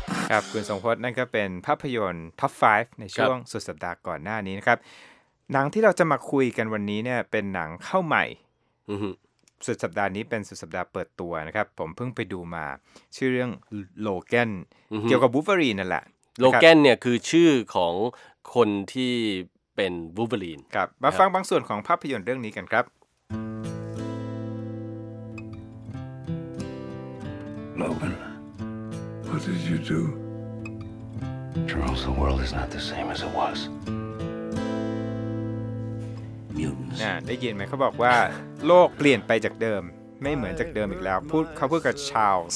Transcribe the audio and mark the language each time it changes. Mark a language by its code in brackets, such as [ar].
[th] ครับคุณสงพจน์นั่นก็เป็นภาพยนตร์ท็อป5ในช่วงสุดสัปดาห์ก่อนหน้านี้นะครับหนังที่เราจะมาคุยกันวันนี้เนี่ยเป็นหนังเข้าใหม่สุดสัปดาห์นี้เป็นสุดสัปดาห์เปิดตัวนะครับผมเพิ่งไปดูมาชื่อเรื่องโลแกนเกี่ยวกับวูล์ฟเวอรีนนั่นแหละ โลแกนเนี่ยคือชื่อของคนที่เป็นวูล์ฟเวอรีน ครับมาฟังบางส่วนของภาพยนตร์เรื่องนี้กันครับLogan [en] What did you do? Charles, the world is not the same as it was. Mutants. [th] น่าได้ยินไหมเขาบอกว่าโลกเปลี่ยนไปจากเดิมไม่เหมือนจากเดิมอีกแล้วพูดเขาพูดกับชาร์ลส